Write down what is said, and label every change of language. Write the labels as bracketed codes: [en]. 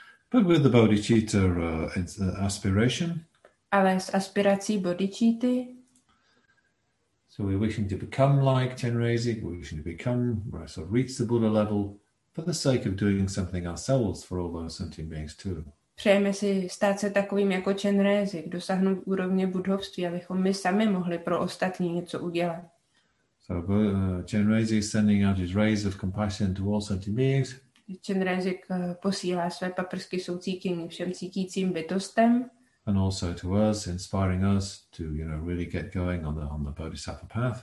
[en] But with the bodhicitta aspiration. [cs] Ale s aspirací bodhicitty. [en] So we're wishing to become like Chenrezig, we're wishing to become, right, sort of reach the Buddha level for the sake of doing something ourselves for all those sentient beings too. [cs] Přejeme si stát se takovým jako Chenrezig, dosáhnout úrovně buddhovství, abychom my sami mohli pro ostatní něco udělat. [en] So Chenrezig is sending out his rays of compassion to all sentient beings. [cs] Chenrezig posílá své paprsky soucítění všem cítícím bytostem. [en] And also to us, inspiring us to, you know, really get going on the bodhisattva path.